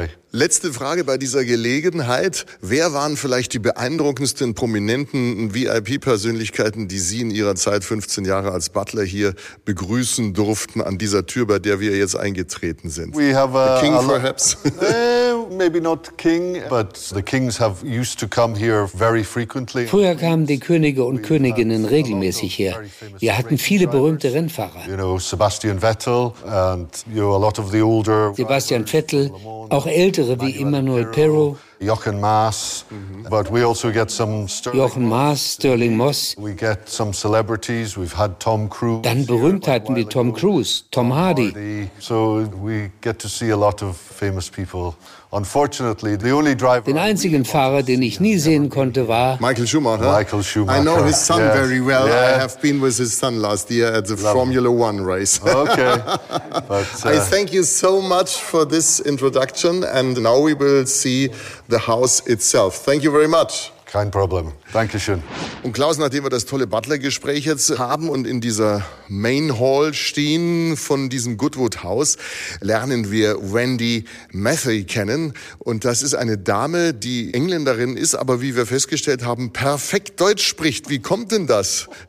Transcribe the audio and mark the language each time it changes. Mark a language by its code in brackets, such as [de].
[de] Letzte Frage bei dieser Gelegenheit. Wer waren vielleicht die beeindruckendsten, prominenten VIP-Persönlichkeiten, die Sie in Ihrer Zeit 15 Jahre als Butler hier begrüßen durften an dieser Tür, bei der wir jetzt eingetreten sind? [en] We have the King, perhaps? Maybe not king, but the kings have used to come here very frequently. [de] Früher kamen die Könige und Königinnen regelmäßig her. Wir hatten viele berühmte Rennfahrer. [en] You know, Sebastian Vettel and you know, a lot of the older [de] Sebastian Vettel, auch ältere wie Emmanuel Pirro. [en] Jochen Maas, but we also get some Sterling Moss. We get some celebrities. We've had Tom Cruise. [de] Dann Berühmtheiten wie Tom Cruise, Tom Hardy. [en] So we get to see a lot of famous people. Unfortunately, the only driver. [de] Den einzigen Fahrer, den ich nie sehen konnte, war Michael Schumacher. Michael Schumacher. [en] I know his son very well. Yeah. I have been with his son last year at the Formula One race. Okay. But, I thank you so much for this introduction, and now we will see the house itself. Thank you very much. [de] Kein Problem. Dankeschön. Und Klaus, nachdem wir das tolle Butler-Gespräch jetzt haben und in dieser Main Hall stehen von diesem Goodwood House, lernen wir Wendy Matthey kennen. Und das ist eine Dame, die Engländerin ist, aber wie wir festgestellt haben, perfekt Deutsch spricht. Wie kommt denn das?